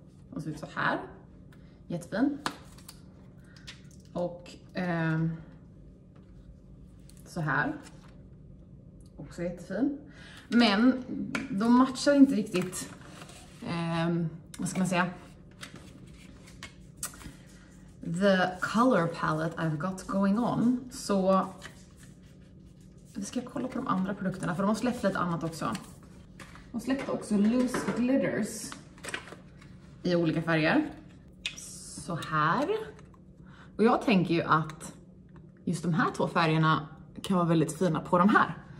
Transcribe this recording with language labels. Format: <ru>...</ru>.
<sv>De ser ut så här. Jättefin. Och så här. Också jättefin. Men de matchar inte riktigt. Vad ska man säga?</sv> <en>The color palette I've got going on.</en> <sv>Så vi ska kolla på de andra produkterna, för de har släppt lite annat också. De släppte också loose glitters i olika färger. Så här. Och jag tänker ju att just de här två färgerna kan vara väldigt fina på de här.</sv>